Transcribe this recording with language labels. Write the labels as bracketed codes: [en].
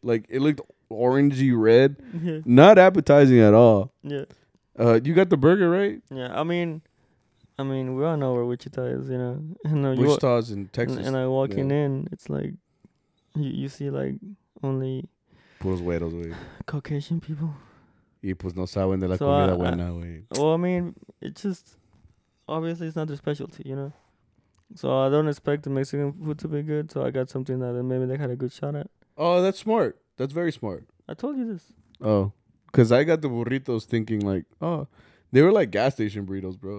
[en] Like, it looked orangey red. Yeah. Not appetizing at all. Yeah. You got the burger, right? Yeah. I mean, we all know where Wichita is, you know. Wichita's in Texas. And walking in, it's like, you see, like, only... [es] Puros güeros, güey. [en] Caucasian people. [es] Y pues no saben de la comida buena, güey. [en] Well, I mean, it's just, obviously it's not their specialty, you know. So I don't expect the Mexican food to be good, so I got something that maybe they had a good shot at. Oh, that's smart. That's very smart. I told you this. Oh, because I got the burritos thinking like, oh, they were like gas station burritos, bro.